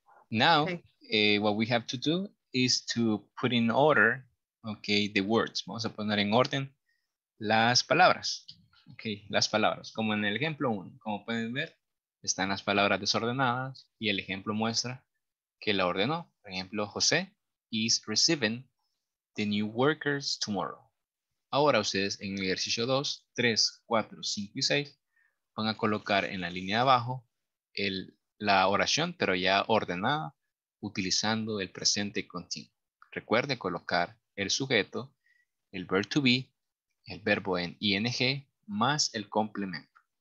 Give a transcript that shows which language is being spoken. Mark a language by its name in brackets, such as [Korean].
[English] Now, what we have to do is to put in order, okay, the words. [Spanish] Vamos a poner en orden las palabras. Ok, las palabras, como en el ejemplo 1, como pueden ver, están las palabras desordenadas y el ejemplo muestra que la ordenó. [English] Por ejemplo, José is receiving the new workers tomorrow. [Spanish] Ahora ustedes en el ejercicio 2, 3, 4, 5 y 6 van a colocar en la línea de abajo la oración, pero ya ordenada, utilizando el presente continuo. Recuerde colocar el sujeto, el verb to be, el verbo en ing, más el complemento.